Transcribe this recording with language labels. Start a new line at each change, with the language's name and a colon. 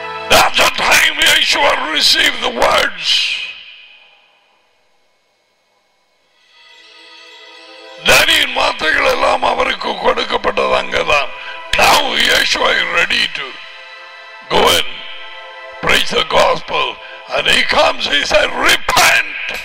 English: That's the time Yeshua received the words.
Tamil: தனியின் வார்த்தைகள் எல்லாம் அவருக்கு கொடுக்கப்பட்டது அங்கதான்.
English: Now Yeshua is ready to go and preach the gospel. And he comes, he says, repent!